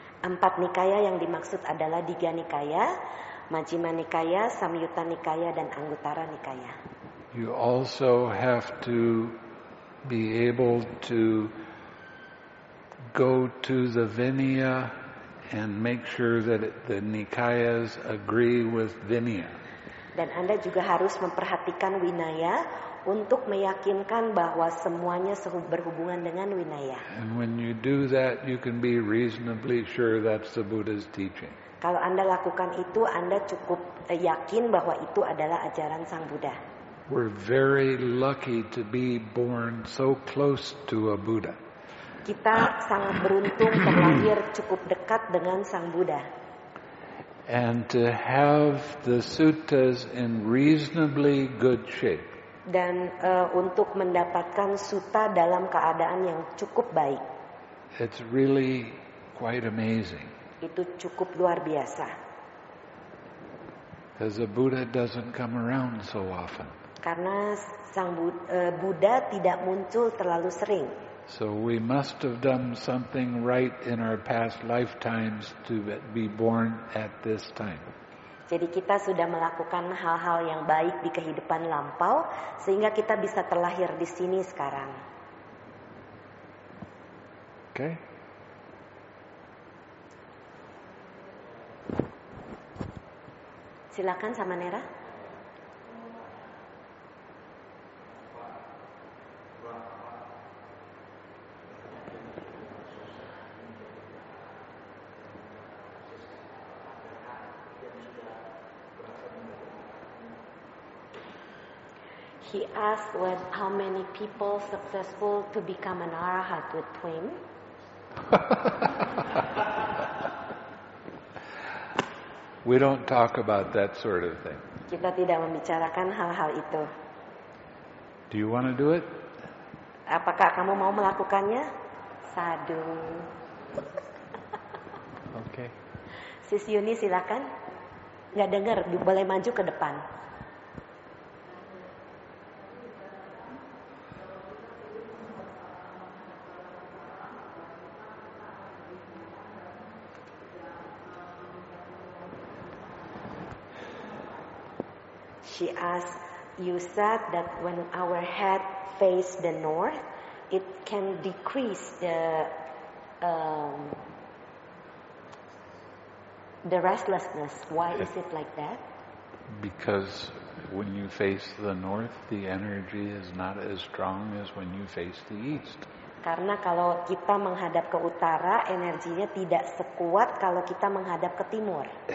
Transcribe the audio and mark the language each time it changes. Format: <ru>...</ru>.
<id>Empat Nikaya yang dimaksud adalah Digha Nikaya, Majjhima Nikaya, Samyutta Nikaya, dan Anguttara Nikaya.</id> <en>You also have to be able to go to the Vinaya and make sure that the Nikayas agree with Vinaya.</en> <id>Dan Anda juga harus memperhatikan Vinaya untuk meyakinkan bahwa semuanya berhubungan dengan Vinaya.</id> <en>And when you do that, you can be reasonably sure that's the Buddha's teaching.</en> <id>Kalau Anda lakukan itu, Anda cukup yakin bahwa itu adalah ajaran Sang Buddha.</id> <en>We're very lucky to be born so close to a Buddha.</en> <id>Kita sangat beruntung terlahir cukup dekat dengan Sang Buddha.</id> <en>And to have the suttas in reasonably good shape.</en> <id>Dan untuk mendapatkan sutta dalam keadaan yang cukup baik.</id> <en>It's really quite amazing.</en> <id>Itu cukup luar biasa.</id> <en>Because the Buddha doesn't come around so often.</en> <id>Karena Sang Buddha tidak muncul terlalu sering.</id> <en>So we must have done something right in our past lifetimes to be born at this time.</en> <id>Jadi kita sudah melakukan hal-hal yang baik di kehidupan lampau sehingga kita bisa terlahir di sini sekarang.</id> <en>Okay.</en> <id>Silakan sama Nera.</id> <en>He asked what, how many people successful to become an arahat with twin. We don't talk about that sort of thing.</en> <id>Kita tidak membicarakan hal-hal itu.</id> <en>Do you want to do it?</en> <id>Apakah kamu mau melakukannya?</id> <pi>Sadu.</pi> <en>Okay.</en> <id>Sis Yuni silakan. Enggak dengar, boleh maju ke depan.</id> <en>She asked, you said that when our head face the north, it can decrease the restlessness. Why is it like that? Because when you face the north, the energy is not as strong as when you face the east.</en> <id>Karena kalau kita menghadap ke utara, energinya tidak sekuat kalau kita menghadap ke timur.</id>